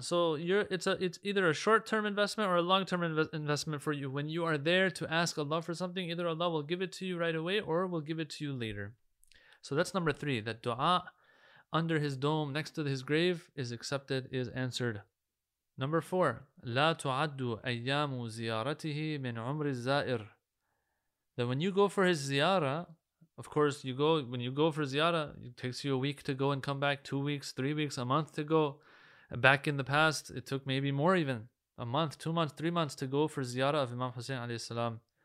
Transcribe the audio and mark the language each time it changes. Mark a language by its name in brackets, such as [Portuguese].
[English] So it's either a short-term investment or a long-term investment for you. When you are there to ask Allah for something, either Allah will give it to you right away or will give it to you later. So that's number three, that dua under his dome next to his grave is accepted, is answered. [Arabic] Number four, لا تعد أيام زيارته من عمر الزائر. [English] That when you go for his ziyara, of course, when you go for ziyara, it takes you a week to go and come back, 2 weeks, 3 weeks, a month to go. Back in the past, it took maybe more even, a month, 2 months, 3 months to go for ziyara of Imam Hussein alayhi salam.